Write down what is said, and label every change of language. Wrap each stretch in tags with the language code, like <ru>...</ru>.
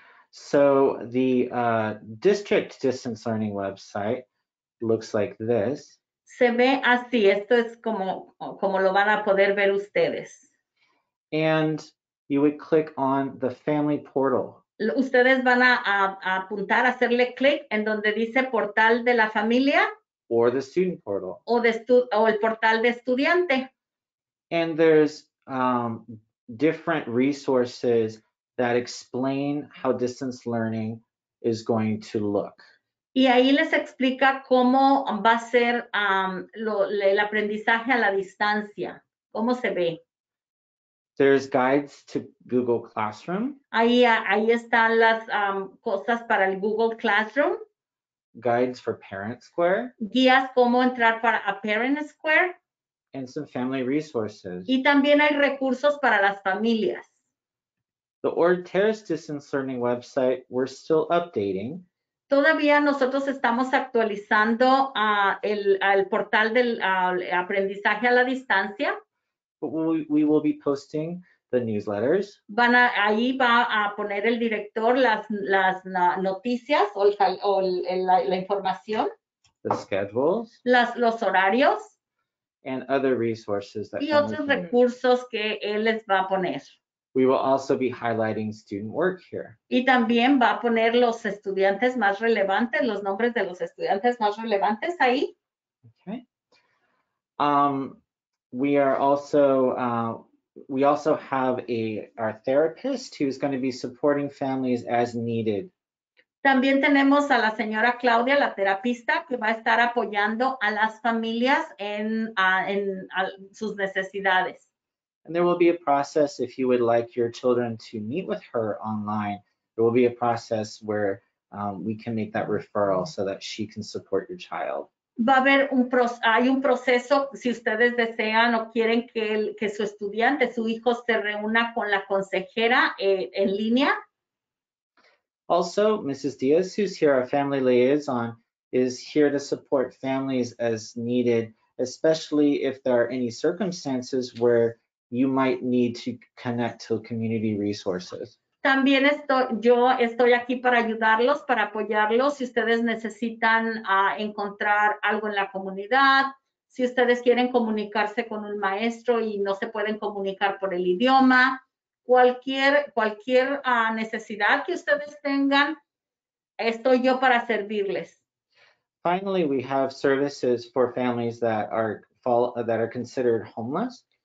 <en>So the district distance learning website looks like this.</en> <es>Se ve así. Esto es como lo van a poder ver ustedes.</es> <en>And you would click on the family portal.</en> <es>Ustedes van a apuntar, a hacerle clic en donde dice portal de la familia.</es> <en>Or the student portal.</en> <es>O el portal de estudiante.</es> <en>And there's different resources that explain how distance learning is going to look.</en> <es>Y ahí les explica cómo va a ser el aprendizaje a la distancia. ¿Cómo se ve?</es> <en>There's guides to Google Classroom.</en> <es>Ahí están las cosas para el Google Classroom.</es> <en>Guides for Parent Square.</en> <es>Guías cómo entrar para a Parent Square.</es> <en>And some family resources.</en> <es>Y también hay recursos para las familias.</es> <en>The Ord Terrace Distance Learning website, we're still updating.</en> <es>Todavía nosotros estamos actualizando el portal del aprendizaje a la distancia.</es> <en>But we will be posting the newsletters.</en> <es>Ahí va a poner el director las noticias o la información.</es> <en>The schedules.</en> <es>Los horarios.</es> <en>And other resources that.</en> <es>Y otros recursos que él les va a poner.</es> <en>We will also be highlighting student work here.</en> <es>Y también va a poner los estudiantes más relevantes, los nombres de los estudiantes más relevantes ahí.</es> <en>Okay. We are also we also have our therapist who's going to be supporting families as needed.</en> <es>También tenemos a la señora Claudia, la terapista, que va a estar apoyando a las familias en sus necesidades.</es> <en>And there will be a process if you would like your children to meet with her online. There will be a process where we can make that referral so that she can support your child.</en> <es>Va a haber un proceso si ustedes desean o quieren que su estudiante, su hijo, se reúna con la consejera en línea.</es> <en>Also, Mrs. Diaz, who's here, our family liaison, is here to support families as needed, especially if there are any circumstances where you might need to connect to community resources.</en> <es>También yo estoy aquí para ayudarlos, para apoyarlos, si ustedes necesitan encontrar algo en la comunidad, si ustedes quieren comunicarse con un maestro y no se pueden comunicar por el idioma, cualquier necesidad que ustedes tengan, estoy yo para servirles.</es> <en>Finally, we have services for families that are considered homeless.</en>